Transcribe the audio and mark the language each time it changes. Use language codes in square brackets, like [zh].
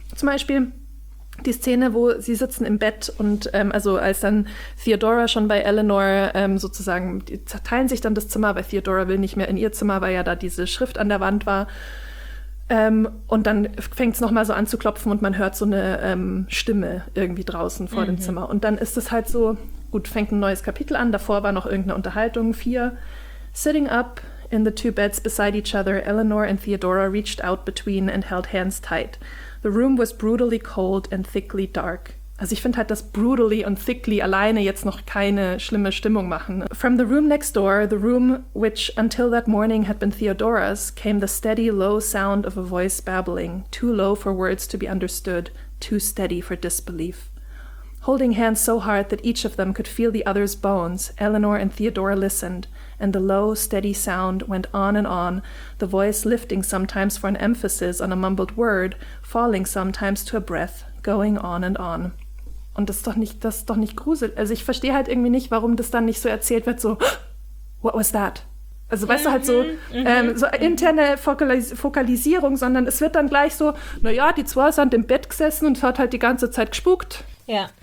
[de] Zum Beispiel die Szene, wo sie sitzen im Bett und also als dann Theodora schon bei Eleanor sozusagen, die zerteilen sich dann das Zimmer, weil Theodora will nicht mehr in ihr Zimmer, weil ja da diese Schrift an der Wand war. Und dann fängt es nochmal so an zu klopfen und man hört so eine Stimme irgendwie draußen vor dem Zimmer. Und dann ist es halt so... Gut, fängt ein neues Kapitel an. Davor war noch irgendeine Unterhaltung. 4. [en] Sitting up in the two beds beside each other, Eleanor and Theodora reached out between and held hands tight. The room was brutally cold and thickly dark. [de] Also ich finde halt, dass brutally und thickly alleine jetzt noch keine schlimme Stimmung machen. [en] From the room next door, the room which until that morning had been Theodora's, came the steady low sound of a voice babbling, too low for words to be understood, too steady for disbelief. Holding hands so hard that each of them could feel the other's bones, Eleanor and Theodora listened, and the low, steady sound went on and on, the voice lifting sometimes for an emphasis on a mumbled word, falling sometimes to a breath, going on and on. [de] Und das ist doch nicht gruselig. Also ich verstehe halt irgendwie nicht, warum das dann nicht so erzählt wird, so, [en] what was that? [de] Also weißt du, halt so, so interne Fokalisierung, sondern es wird dann gleich so, naja, die zwei sind im Bett gesessen und hat halt die ganze Zeit gespukt. Ja.